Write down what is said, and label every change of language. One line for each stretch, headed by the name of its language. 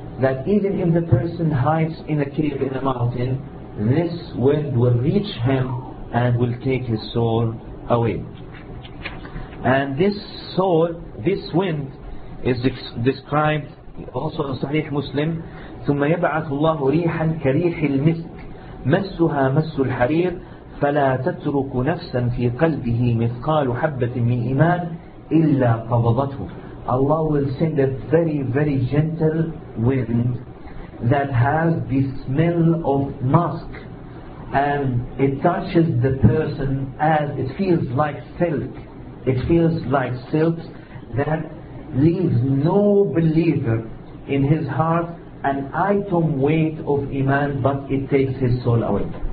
English: That even if the person hides in a cave in a mountain, this wind will reach him and will take his soul away. And this soul, this wind, is described also in Sahih Muslim.
Arabic: ثم يبعث الله ريحا كريح المسك مسها مس الحرير فلا تترك نفسا في قلبه مثقال حبة من إيمان إلا قبضته.
English: Allah will send a very, very gentle wind that has the smell of musk, and it touches the person as it feels like silk. It feels like silk that leaves no believer in his heart an item weight of iman, but it takes his soul away.